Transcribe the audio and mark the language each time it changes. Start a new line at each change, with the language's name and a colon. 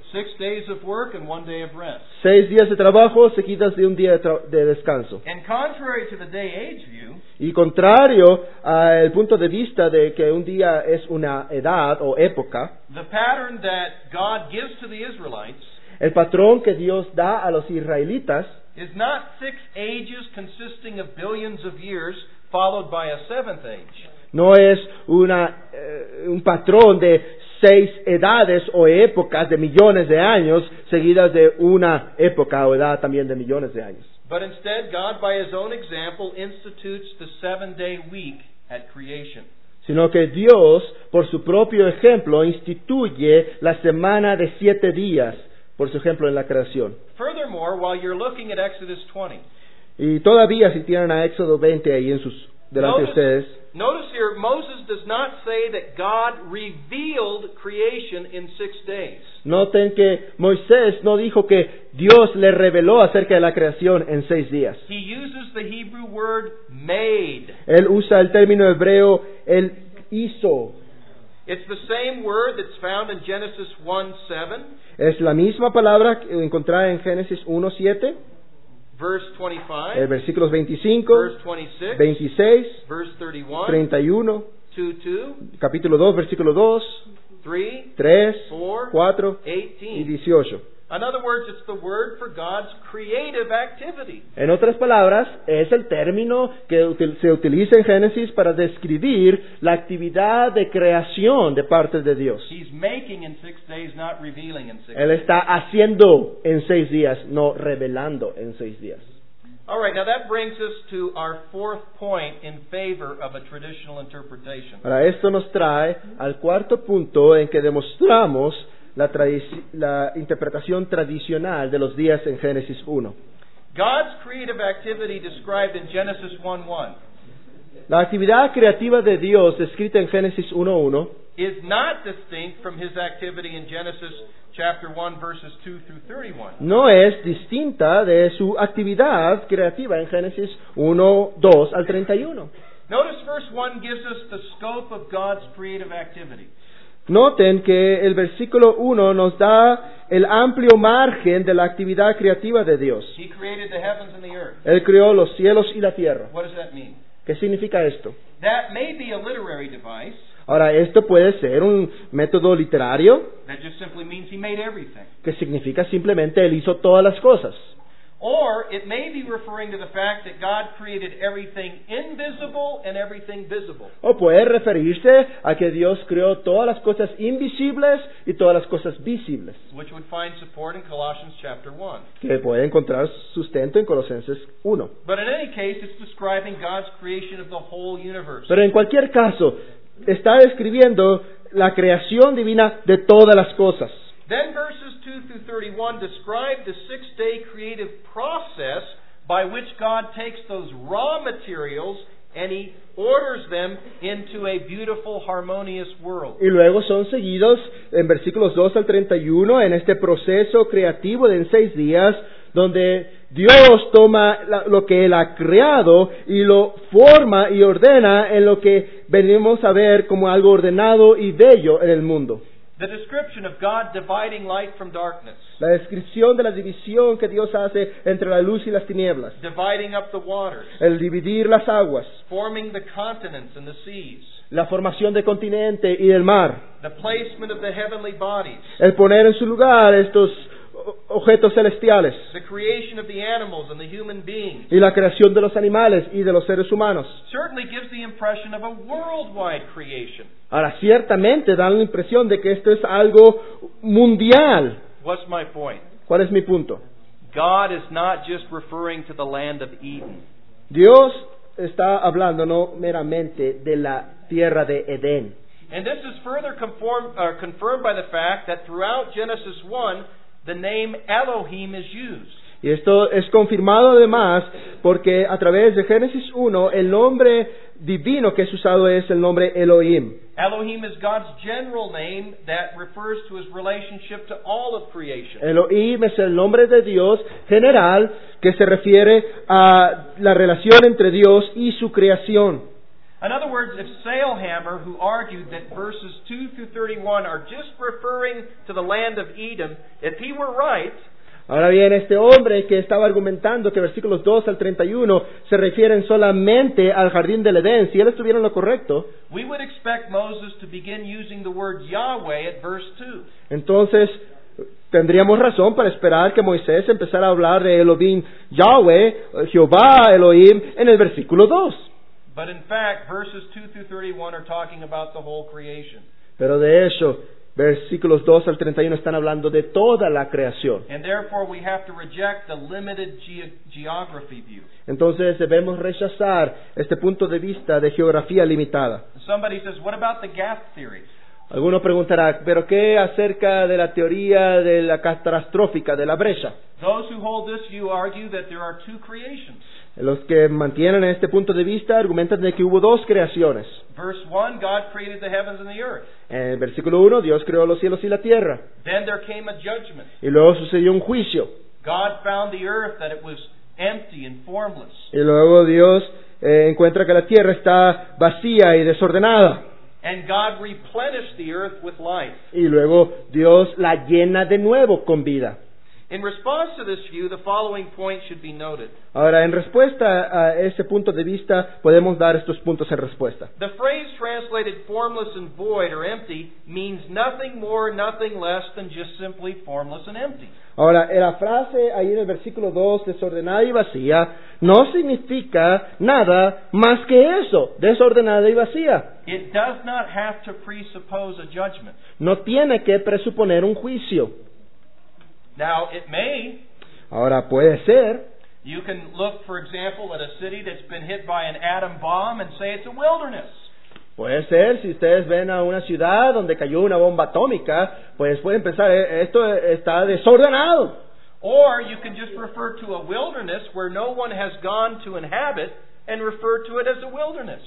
English: 6 days of work and 1 day of rest.
Spanish: 6 días de trabajo seguidas de un día de descanso.
English: And contrary to the day-age view,
Spanish: y contrario al punto de vista de que un día es una edad o época,
English: the pattern that God gives to the Israelites,
Spanish: el patrón que Dios da a los israelitas,
English: is not 6 ages consisting of billions of years followed by a 7th age.
Spanish: No es un patrón de 6 edades o épocas de millones de años seguidas de una época o edad también de millones de años.
English: But instead, God, by His own example, institutes the 7-day week at creation.
Spanish: Sino que Dios, por su propio ejemplo, instituye la semana de 7 días, por su ejemplo en la creación.
English: Furthermore, while you're looking at Exodus 20,
Spanish: y todavía si tienen a Éxodo 20 ahí en sus delante de ustedes.
English: Notice here, Moses does not say that God revealed creation in 6 days.
Spanish: Noten que Moisés no dijo que Dios le reveló acerca de la creación en 6 días.
English: He uses the Hebrew word made.
Spanish: Él usa el término hebreo, él hizo.
English: It's the same word that's found in Genesis 1:7.
Spanish: Es la misma palabra encontrada en Génesis 1:7.
English: Verse 25,
Spanish: el versículo 25,
English: verse
Spanish: 26,
English: verse 31,
Spanish: 31,
English: 2,
Spanish: capítulo 2, versículo 2,
English: 3,
Spanish: 4, 4
English: 18.
Spanish: Y 18.
English: In other words, it's the word for God's creative activity.
Spanish: En otras palabras, es el término que se utiliza en Génesis para describir la actividad de creación de parte de Dios.
English: He's making in 6 days, not revealing in 6 days.
Spanish: Él está haciendo en 6 días, no revelando en 6 días.
English: All right, now that brings us to our 4th point in favor of a traditional interpretation.
Spanish: Ahora, esto nos trae al 4th punto en que demostramos la interpretación tradicional de los días en Génesis 1.
English: God's creative activity described in Genesis 1:1.
Spanish: La actividad creativa de Dios descrita en Génesis 1:1
English: is not distinct from His activity in Genesis chapter 1 verses 2 through 31.
Spanish: No es distinta de su actividad creativa en Génesis 1:2 al 31.
English: Notice verse 1 gives us the scope of God's creative activity.
Spanish: Noten que el versículo 1 nos da el amplio margen de la actividad creativa de Dios.
English: He created the heavens and the earth.
Spanish: Él creó los cielos y la tierra.
English: What does that mean?
Spanish: ¿Qué significa esto?
English: That may be a literary device.
Spanish: Ahora, esto puede ser un método literario.
English: That just simply means he made everything.
Spanish: Que significa simplemente Él hizo todas las cosas.
English: Or it may be referring to the fact that God created everything invisible and everything visible.
Spanish: O puede referirse a que Dios creó todas las cosas invisibles y todas las cosas visibles.
English: Which would find support in Colossians chapter 1.
Spanish: Que puede encontrar sustento en Colosenses 1.
English: But in any case, it's describing God's creation of the whole universe.
Spanish: Pero en cualquier caso, está describiendo la creación divina de todas las cosas.
English: Then verses 2 through 31 describe the 6-day creative process by which God takes those raw materials and he orders them into a beautiful, harmonious world.
Spanish: Y luego son seguidos en versículos 2 al 31 en este proceso creativo de en seis días donde Dios toma lo que él ha creado y lo forma y ordena en lo que venimos a ver como algo ordenado y bello en el mundo.
English: The description of God dividing light from darkness.
Spanish: La descripción de la división que Dios hace entre la luz y las tinieblas.
English: Dividing up the waters.
Spanish: El dividir las aguas.
English: Forming the continents and the seas.
Spanish: La formación del continente y del mar.
English: The placement of the heavenly bodies.
Spanish: El poner en su lugar estos objetos celestiales.
English: The creation of the animals and the human beings.
Spanish: Y la creación de los animales y de los seres humanos.
English: Certainly gives the impression of a worldwide creation.
Spanish: Ahora, ciertamente dan la impresión de que esto es algo mundial.
English: What's my point?
Spanish: ¿Cuál es mi punto?
English: God is not just referring to the land of Eden.
Spanish: Dios está hablando no meramente de la tierra de Edén.
English: And this is further confirmed by the fact that throughout Genesis 1, the name Elohim is used.
Spanish: Y esto es confirmado además porque a través de Génesis 1 el nombre divino que es usado es el nombre Elohim.
English: Elohim is God's general name that refers to his relationship to all of creation.
Spanish: Elohim es el nombre de Dios general que se refiere a la relación entre Dios y su creación.
English: In other words, if Salehammer, who argued that verses 2 through 31 are just referring to the land of Eden, if he were right,
Spanish: ahora bien, este hombre que estaba argumentando que versículos 2 al 31 se refieren solamente al jardín del Edén, si él estuviera en lo correcto,
English: we would expect Moses to begin using the word Yahweh at verse 2.
Spanish: Entonces, tendríamos razón para esperar que Moisés empezara a hablar de Elohim, Yahweh, Jehová, Elohim, en el versículo 2.
English: But in fact, verses 2 through 31 are talking about the whole creation.
Spanish: Pero de hecho, versículos 2 al 31 están hablando de toda la creación.
English: And therefore we have to reject the limited geography view.
Spanish: Entonces debemos rechazar este punto de vista de geografía limitada.
English: Somebody says, what about the gap theory?
Spanish: Alguno preguntará, ¿pero qué acerca de la teoría de la catastrófica, de la brecha?
English: Those who hold this view argue that there are two creations.
Spanish: Los que mantienen este punto de vista argumentan de que hubo dos creaciones.
English: Verse 1, God created the heavens and the earth.
Spanish: En el versículo 1, Dios creó los cielos y la tierra.
English: Then there came a judgment.
Spanish: Y luego sucedió un juicio.
English: God found the earth that it was empty and formless.
Spanish: Y luego Dios encuentra que la tierra está vacía y desordenada.
English: And God replenished the earth with life.
Spanish: Y luego Dios la llena de nuevo con vida.
English: In response to this view, the following point should be noted.
Spanish: Ahora, en respuesta a ese punto de vista, podemos dar estos puntos en respuesta.
English: The phrase translated formless and void or empty means nothing more, nothing less than just simply formless and empty.
Spanish: Ahora, la frase ahí en el versículo 2, desordenada y vacía, no significa nada más que eso, desordenada y vacía.
English: It does not have to presuppose a judgment.
Spanish: No tiene que presuponer un juicio.
English: Now it may.
Spanish: Ahora puede ser.
English: You can look, for example, at a city that's been hit by an atom bomb and say it's a wilderness.
Spanish: Puede ser si ustedes ven a una ciudad donde cayó una bomba atómica, pues pueden pensar esto está desordenado.
English: Or you can just refer to a wilderness where no one has gone to inhabit and refer to it as a wilderness.